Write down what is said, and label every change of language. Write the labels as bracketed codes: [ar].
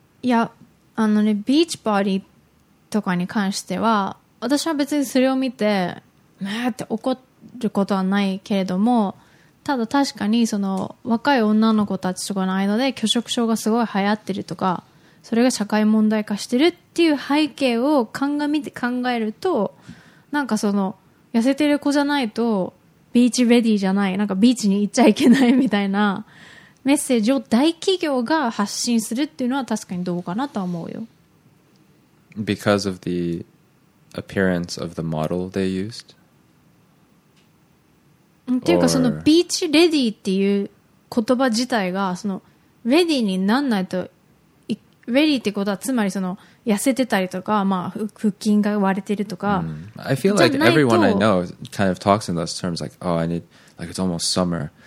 [ja] いや、あのね、ビーチボディとかに関しては、私は別にそれを見て、まあって怒ることはないけれども、ただ確かにその若い女の子たちとかの間で拒食症がすごい流行ってるとか、それが社会問題化してるっていう背景を鑑みて考えると、なんかその痩せてる子じゃないとビーチレディじゃない、なんかビーチに行っちゃいけないみたいな。メッセージを大企業が発信するっていうのは確かにどうかなと思うよ。 [en] Because of the appearance of the model they used? [ja] っていうか、そのビーチレディっていう言葉自体が、そのレディになんないと、レディってことはつまりその痩せてたりとか、まあ腹筋が割れてるとか。 [en] I feel like everyone I know kind of talks in those terms like, oh, I need, like it's almost summer.